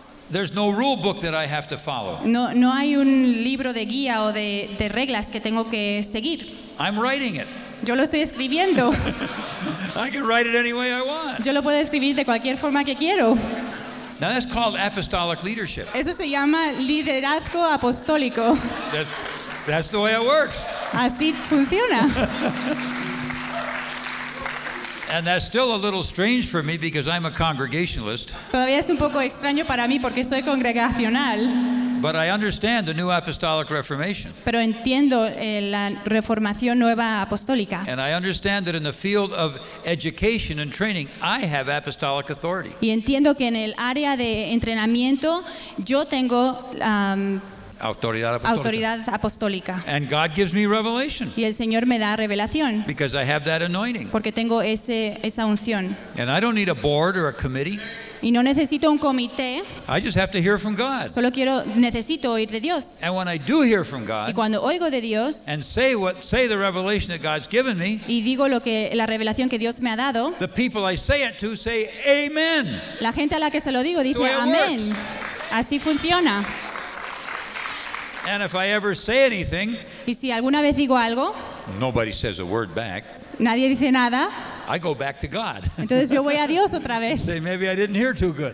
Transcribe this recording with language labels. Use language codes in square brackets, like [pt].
[en] There's no rule book that I have to follow. [es] No hay un libro de guía o de reglas que tengo que seguir. [en] I'm writing it. [es] Yo lo estoy escribiendo. [en] I can write it any way I want. [es] Yo lo puedo escribir de cualquier forma que quiero. [en] Now that's called apostolic leadership. [es] Eso se llama liderazgo apostólico. [en] That's the way it works. [es] Así funciona. [en] And that's still a little strange for me because I'm a congregationalist. [es] Todavía es un poco extraño para mí porque soy congregacional. [en] But I understand the new apostolic reformation. [es] Pero entiendo la reformación nueva apostólica. [en] And I understand that in the field of education and training, I have apostolic authority. [es] Y entiendo que en el área de entrenamiento yo tengo autoridad apostólica. [en] And God gives me revelation. [es] Y el Señor me da revelación. [en] Because I have that anointing. [es] Porque tengo esa unción. [en] And I don't need a board or a committee. [es] Y no necesito un comité. [en] I just have to hear from God. [es] Solo quiero, necesito oír de Dios. [en] And when I do hear from God, [es] y cuando oigo de Dios, [en] and say the revelation that God's given me, [es] y digo la revelación que Dios me ha dado, [en] the people I say it to say amen. [es] La gente a la que se lo digo dice amén. Así funciona. [en] And if I ever say anything, [es] y si alguna vez digo algo, [en] nobody says a word back. [es] Nadie dice nada. [en] I go back to God. [es] Entonces yo voy a Dios otra vez. [en] Say, maybe I didn't hear too good.